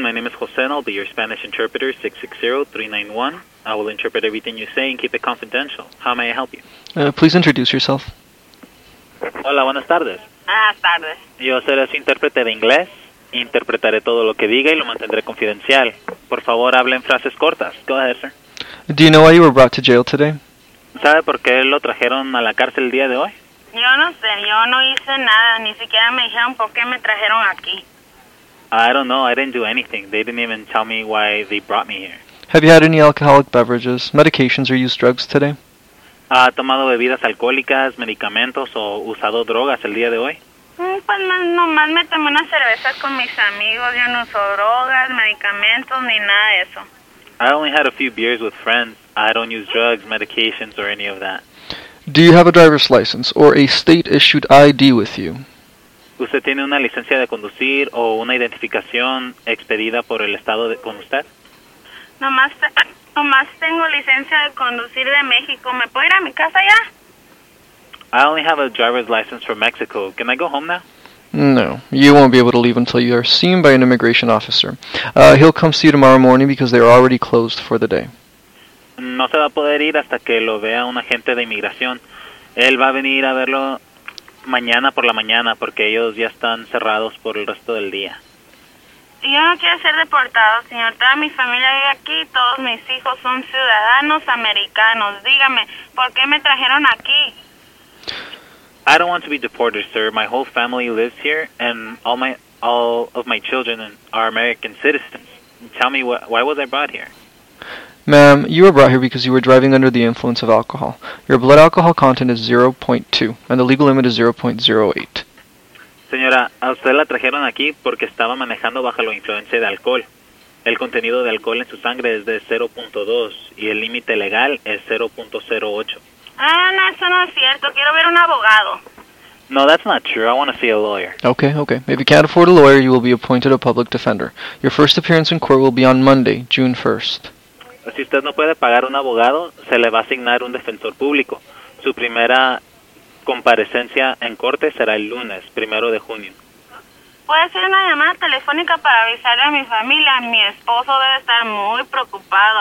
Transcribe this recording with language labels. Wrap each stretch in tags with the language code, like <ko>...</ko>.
<en>My name is Jose, and I'll be your Spanish interpreter, 660-391. I will interpret everything you say and keep it confidential. How may I help you? Please introduce yourself.</en> <es>Hola, buenas tardes. Buenas tardes. Yo seré su intérprete de inglés. Interpretaré todo lo que diga y lo mantendré confidencial. Por favor, hable en frases cortas.</es> <en>Go ahead, sir. Do you know why you were brought to jail today?</en> <es>¿Sabe por qué lo trajeron a la cárcel el día de hoy? Yo no sé, yo no hice nada. Ni siquiera me dijeron por qué me trajeron aquí.</es> <en>I don't know, I didn't do anything. They didn't even tell me why they brought me here. Have you had any alcoholic beverages, medications, or used drugs today?</en> <es>¿Ha tomado bebidas alcohólicas, medicamentos, o usado drogas el día de hoy? Pues nomás me tomé una cerveza con mis amigos. Yo no uso drogas, medicamentos, ni nada de eso.</es> <en>I only had a few beers with friends. I don't use drugs, medications, or any of that. Do you have a driver's license or a state-issued ID with you?</en> <es>¿Usted tiene una licencia de conducir o una identificación expedida por el estado de, con usted? Nomás tengo licencia de conducir de México. ¿Me puedo ir a mi casa ya?</es> <en>I only have a driver's license from Mexico. Can I go home now? No, you won't be able to leave until you are seen by an immigration officer. He'll come see you tomorrow morning because they are already closed for the day.</en> <es>No se va a poder ir hasta que lo vea un agente de inmigración. Él va a venir a verlo mañana por la mañana porque ellos ya están cerrados por el resto del día. Yo no quiero ser deportado, señor. Toda mi familia vive aquí, todos mis hijos son ciudadanos americanos. Dígame, ¿por qué me trajeron aquí?</es> <en>I don't want to be deported, sir. My whole family lives here, and all of my children are American citizens. Tell me, why was I brought here? Ma'am, you were brought here because you were driving under the influence of alcohol. Your blood alcohol content is 0.2, and the legal limit is 0.08.</en> <es>Señora, a usted la trajeron aquí porque estaba manejando bajo la influencia de alcohol. El contenido de alcohol en su sangre es de 0.2, y el límite legal es 0.08. No, eso no es cierto. Quiero ver un abogado.</es> <en>No, that's not true. I want to see a lawyer. Okay. If you can't afford a lawyer, you will be appointed a public defender. Your first appearance in court will be on Monday, June 1st.</en> <es>Si usted no puede pagar un abogado, se le va a asignar un defensor público. Su primera comparecencia en corte será el lunes, 1 de junio. ¿Puede hacer una llamada telefónica para avisarle a mi familia? Mi esposo debe estar muy preocupado.</es>